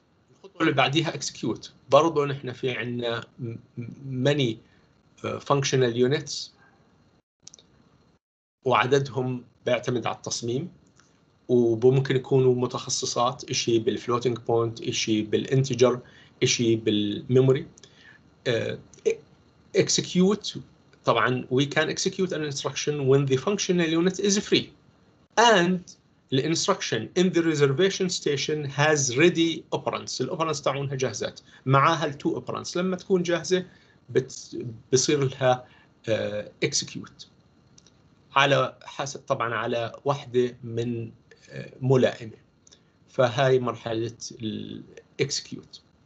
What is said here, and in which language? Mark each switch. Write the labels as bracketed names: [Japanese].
[Arabic] الخطوه اللي بعديها اكسكيوت، برضه نحن في عندنا ماني فانكشنال يونتس وعددهم بيعتمد على التصميم، وممكن يكونوا متخصصات، إشي بالفلوتينج بوينت، إشي بالإنتجر، إشي بالميموري. إكسكيوت طبعاً [English] we can execute an instruction when the functional unit is free and the instruction in the reservation station has ready operands. [Arabic] الأوبرانس تعونها جاهزات معها الـ two operands. لما تكون جاهزة بصير لها execute على حسب طبعا على واحدة من ملائمة. فهاي مرحلة الاكسكيوت.